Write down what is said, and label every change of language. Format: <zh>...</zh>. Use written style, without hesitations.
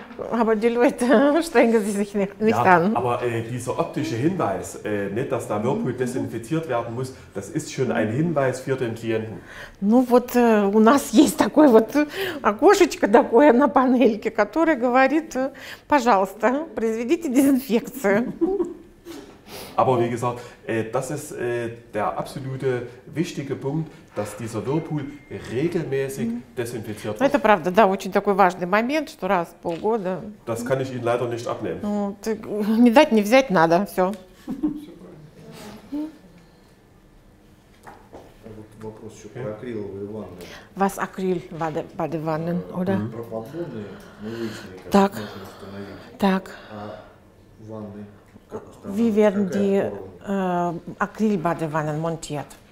<de>Aber die Leute strengen sie sich nicht ja, an. Aber dieser optische Hinweis, nicht, dass der Whirlpool desinfiziert werden muss, das ist schon ein Hinweis für den Klienten.</de> <ru>Ну вот у нас есть такое вот окошечко такое на панельке, которое говорит, пожалуйста, произведите дезинфекцию.</ru> <de>Aber wie gesagt, das ist der absolute wichtige Punkt, dass dieser Whirlpool regelmäßig desinfiziert wird.</de> <ru>Это правда, да, очень такой важный момент, что раз в полгода.</ru> <de>Das kann ich Ihnen leider nicht abnehmen.</de> <ru>Не дать, не взять надо, все. Вопрос еще про акриловые ванны. Was акрил воды ванны, oder? Про подводные, мы выяснили, как так. Можно установить. Так. А ванны</ru> <de>Wie werden die Acrylbadewannen montiert?</de>